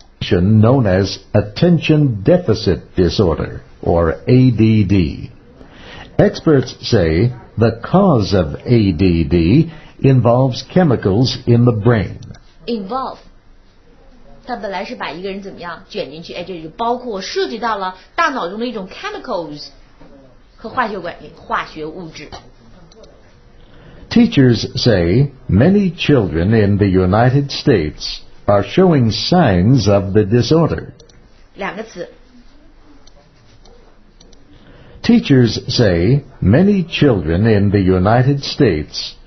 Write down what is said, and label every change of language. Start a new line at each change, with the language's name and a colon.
English: Known as attention deficit disorder or ADD. Experts say the cause of ADDinvolves chemicals in the brain. Involve.
Chinese: 它本来是把一个人怎么样卷进去，哎，这就包括涉及到了大脑中的一种 chemicals 和化学管理化学物质。
English: Teachers say many children in the United States are showing signs of the disorder.
Chinese: 两个词。
English: Teachers say many children in the United States.